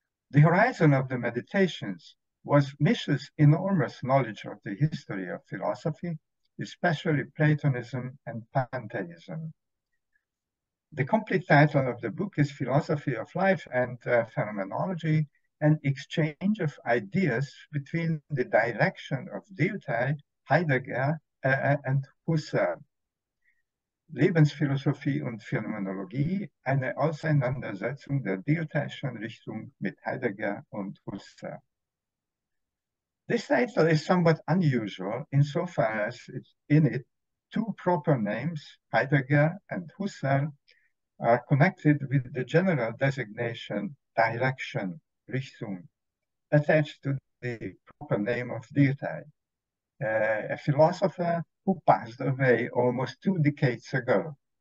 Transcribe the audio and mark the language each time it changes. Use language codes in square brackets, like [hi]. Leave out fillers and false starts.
[en] The horizon of the meditations was Misch's enormous knowledge of the history of philosophy, especially Platonism and Pantheism. The complete title of the book is Philosophy of Life and Phenomenology, an exchange of ideas between the direction of Dilthey, Heidegger, and Husserl. [de] Lebensphilosophie und Phänomenologie, eine Auseinandersetzung der Dilthey'schen Richtung mit Heidegger und Husserl. [en] This title is somewhat unusual insofar as in it two proper names, Heidegger and Husserl, are connected with the general designation direction, Richtung, attached to the proper name of Dilthey, a philosopher who passed away almost two decades ago.